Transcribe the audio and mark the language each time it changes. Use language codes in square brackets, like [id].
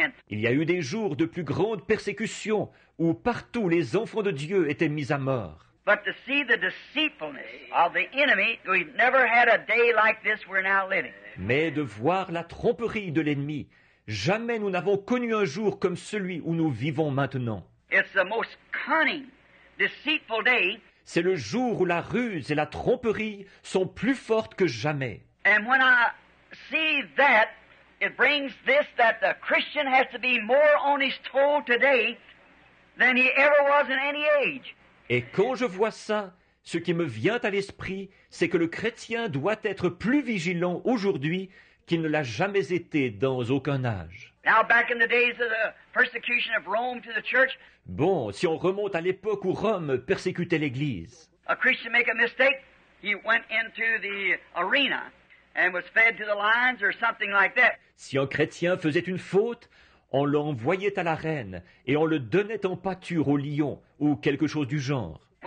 [fr] Il y a eu des jours de plus grande persécution où partout les enfants de Dieu étaient mis à mort. [en] But to see the deceitfulness of the enemy, we've never had a day like this we're now living. [fr] Mais de voir la tromperie de l'ennemi, jamais nous n'avons connu un jour comme celui où nous vivons maintenant. [en] It's the most cunning, deceitful day. [fr] C'est le jour où la ruse et la tromperie sont plus fortes que jamais. [en] And when I see that, it brings this, that the Christian has to be more on his toe today than he ever was in any age. [fr] Et quand je vois ça, ce qui me vient à l'esprit, c'est que le chrétien doit être plus vigilant aujourd'hui qu'il ne l'a jamais été dans aucun âge. [en] Now, back in the days of the persecution of Rome to the church, [fr] bon, si on remonte à l'époque où Rome persécutait l'Église, [en] a Christian made a mistake, he went into the arena and was fed to the lions or something like that. [fr] Si un chrétien faisait une faute, on l'envoyait à l'arène et on le donnait en pâture au lion ou quelque chose du genre.